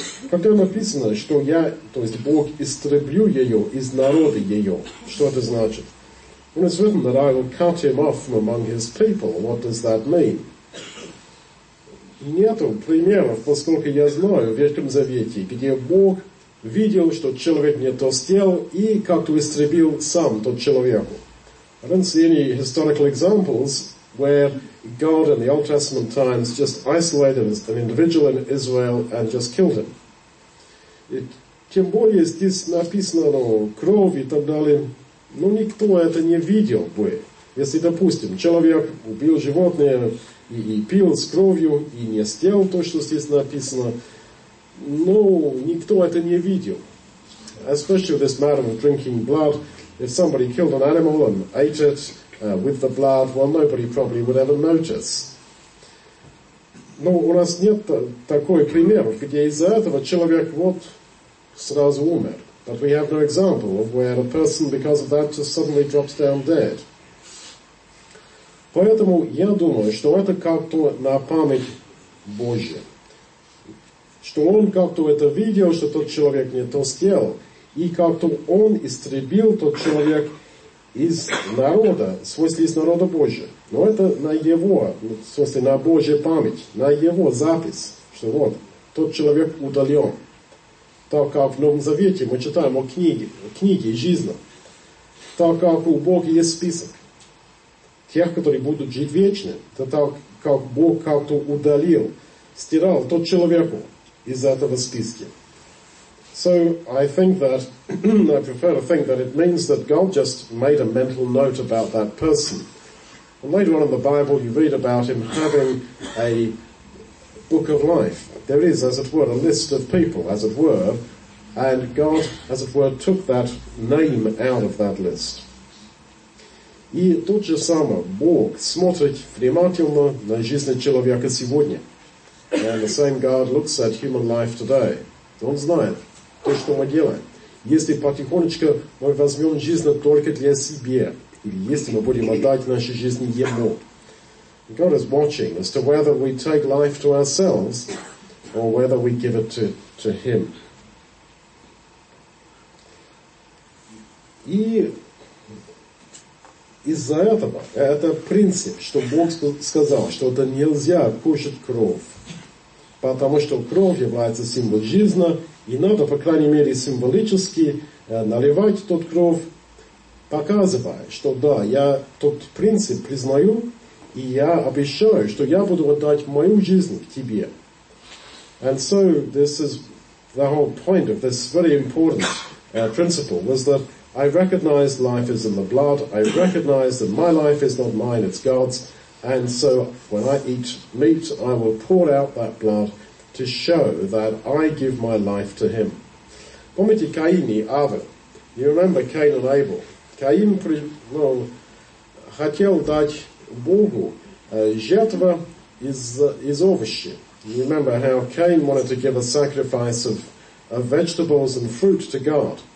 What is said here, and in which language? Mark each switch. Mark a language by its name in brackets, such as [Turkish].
[Russian] Когда написано, что я, то есть Бог, истреблю ее из народа ее, что это значит? [English] When it's written that I will cut him off from among his people, what does that mean? [Russian] Нету примеров, поскольку я знаю, в Ветхом Завете, где Бог видел, что человек не то сделал, и как-то истребил сам тот человек. [English] I don't see any historical examples where God in the Old Testament times just isolated an individual in Israel and just killed him. [Russian] И тем более здесь написано, ну, кровь и так далее, ну, никто это не видел бы. Если, допустим, человек убил животное и пил с кровью, и не сделал то, что здесь написано, ну, никто это не видел. [English] Especially this matter of drinking blood, if somebody killed an animal and ate it with the blood, well, nobody probably would ever notice. [Russian] Но у нас нет такой пример, где из-за этого человек вот сразу умер. [English] But we have no example of where a person, because of that, just suddenly drops down dead. [Russian] Поэтому я думаю, что это как-то на память Божья. Что он как-то это видел, что тот человек не то сделал. И как-то он истребил тот человек из народа, в смысле из народа Божия. Но это на его, в смысле на Божья память, на его запись, что вот, тот человек удален. Так как в Новом Завете мы читаем о книге жизни, так как у Бога есть список тех, которые будут жить вечно, то так как Бог как-то удалил, стирал тот человеку из этого списка. [English] So I think that I prefer to think that it means that God just made a mental note about that person. And later on in the Bible you read about him having a book of life. There is, as it were, a list of people, as it were, and God, as it were, took that name out of that list. [Russian] И тот же самый Бог смотрит внимательно на жизнь человека сегодня. [English] And the same God looks at human life today. [Russian] Он знает то, что мы делаем. Если потихонечку мы возьмем жизнь только для себя, или если мы будем отдать нашу жизнь Ему. [English] God is watching as to whether we take life to ourselves or whether we give it to Him. [Russian] И из-за этого, это принцип, что Бог сказал, что это нельзя кушать кровь. Потому что кровь является символом жизни, и надо, по крайней мере, символически наливать тот кровь, показывая, что да, я тот принцип признаю, и я обещаю, что я буду отдать мою жизнь к тебе. [English] And so this is the whole point of this very important principle, was that I recognize life is in the blood, I recognize that my life is not mine, it's God's, and so when I eat meat, I will pour out that blood to show that I give my life to him. [Russian] Помните Каин и Авель? [English] You remember Cain and Abel? [Russian] Каин, ну, хотел дать Богу жертву из овощей. [English] You remember how Cain wanted to give a sacrifice of vegetables and fruit to God.